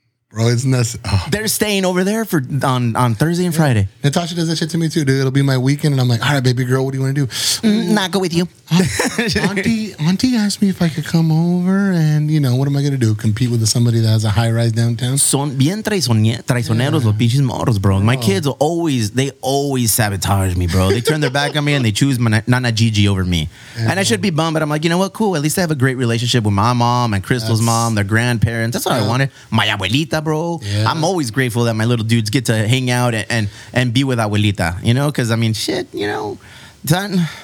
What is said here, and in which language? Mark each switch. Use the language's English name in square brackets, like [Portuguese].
[English] bro, isn't this? They're staying over there for on Thursday and Friday. Natasha does that shit to me too, dude. It'll be my weekend, and I'm like, all right, baby girl, what do you want to do? Not go with you. Auntie asked me if I could come over, and you know what am I going to do? Compete with somebody that has a high rise downtown? [Spanish] Son bien traicioneros los pinches moros, bro. [English] My kids always sabotage me, bro. They turn their back on me and they choose Nana Gigi over me, and I should be bummed. But I'm like, you know what? Cool. At least I have a great relationship with my mom and Crystal's mom, their grandparents. That's what I wanted. My abuelita. Bro, yeah. I'm always grateful that my little dudes get to hang out and be with abuelita, you know, because I mean, shit, you know, son,